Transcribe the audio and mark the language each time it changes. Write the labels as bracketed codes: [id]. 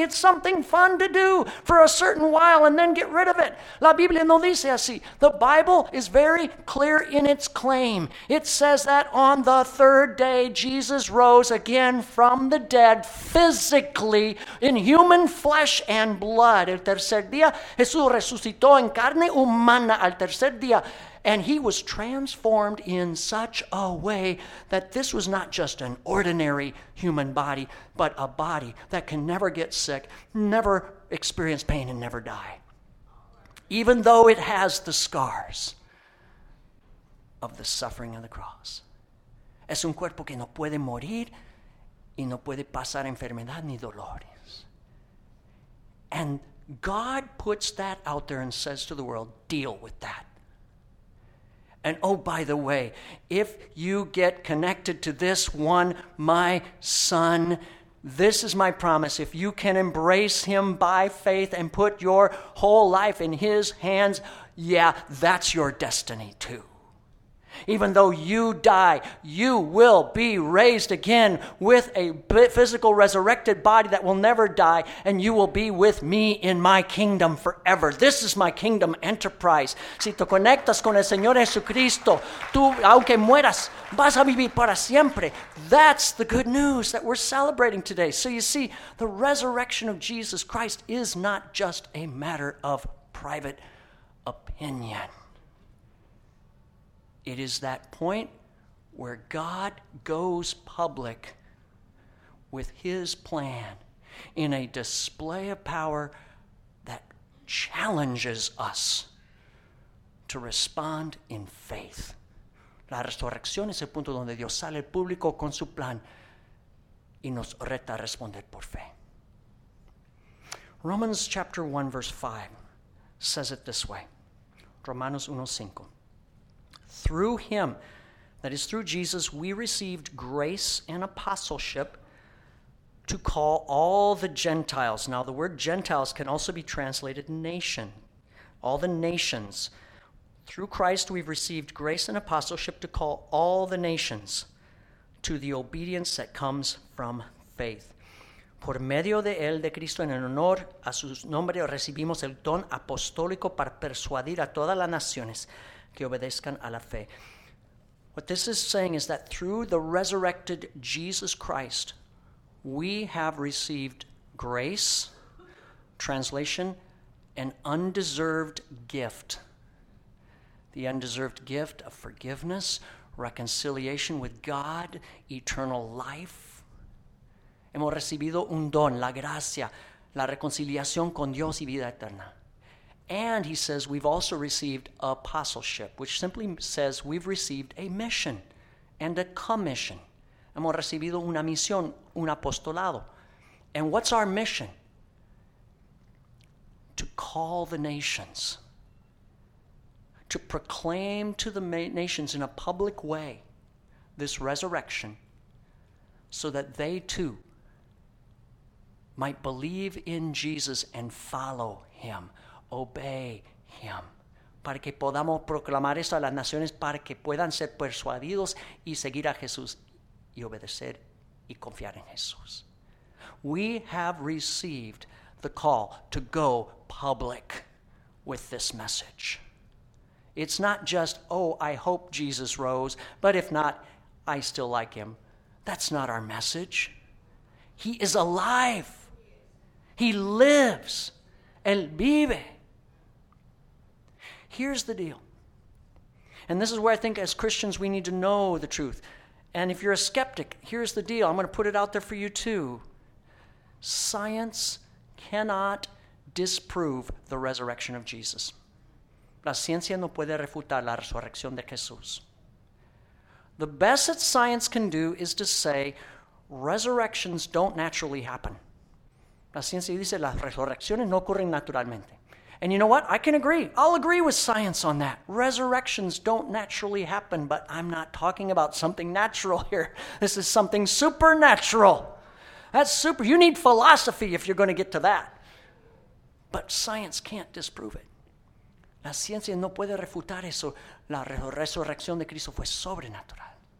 [en] It's something fun to do for a certain while and then get rid of it. [es] La Biblia no dice así. [en] The Bible is very clear in its claim. It says that on the third day, Jesus rose again from the dead physically in human flesh and blood. [es] El tercer día, Jesús resucitó en carne humana al tercer día. [en] And he was transformed in such a way that this was not just an ordinary human body, but a body that can never get sick, never experience pain, and never die. Even though it has the scars of the suffering of the cross. [es] Es un cuerpo que no puede morir y no puede pasar enfermedad ni dolores. [en] And God puts that out there and says to the world, deal with that. And oh, by the way, if you get connected to this one, my son, this is my promise. If you can embrace him by faith and put your whole life in his hands, yeah, that's your destiny too. Even though you die, you will be raised again with a physical resurrected body that will never die, and you will be with me in my kingdom forever. This is my kingdom enterprise. [es] Si te conectas con el Señor Jesucristo, tú, aunque mueras, vas a vivir para siempre. [en] That's the good news that we're celebrating today. So you see, the resurrection of Jesus Christ is not just a matter of private opinion. It is that point where God goes public with his plan in a display of power that challenges us to respond in faith. [es] La resurrección es el punto donde Dios sale público con su plan y nos reta a responder por fe. [en] Romans chapter 1, verse 5 says it this way. [es] Romanos 1, 5. [en] Through him, that is through Jesus, we received grace and apostleship to call all the Gentiles. Now, the word Gentiles can also be translated nation. all the nations. Through Christ, we've received grace and apostleship to call all the nations to the obedience that comes from faith. [es] Por medio de él, de Cristo, en el honor a su nombre, recibimos el don apostólico para persuadir a todas las naciones que obedezcan a la fe. [en] What this is saying is that through the resurrected Jesus Christ, we have received grace, translation, an undeserved gift. The undeserved gift of forgiveness, reconciliation with God, eternal life. [es] Hemos recibido un don, la gracia, la reconciliación con Dios y vida eterna. [en] And he says, we've also received apostleship, which simply says we've received a mission and a commission. [es] Hemos recibido una misión, un apostolado. [en] And what's our mission? To call the nations. To proclaim to the nations in a public way this resurrection so that they too might believe in Jesus and follow him. Obey him. [es] Para que podamos proclamar esto a las naciones, para que puedan ser persuadidos y seguir a Jesús y obedecer y confiar en Jesús. [en] We have received the call to go public with this message. It's not just, oh, I hope Jesus rose, but if not, I still like him. That's not our message. He is alive. He lives. [es] Él vive. [en] Here's the deal. And this is where I think as Christians we need to know the truth. And if you're a skeptic, here's the deal. I'm going to put it out there for you too. Science cannot disprove the resurrection of Jesus. [es] La ciencia no puede refutar la resurrección de Jesús. [en] The best that science can do is to say resurrections don't naturally happen. [es] La ciencia dice las resurrecciones no ocurren naturalmente. [en] And you know what? I can agree. I'll agree with science on that. Resurrections don't naturally happen, but I'm not talking about something natural here. This is something supernatural. That's super. You need philosophy if you're going to get to that. But science can't disprove it. [es] La ciencia no puede refutar eso. La resurrección de Cristo fue sobrenatural.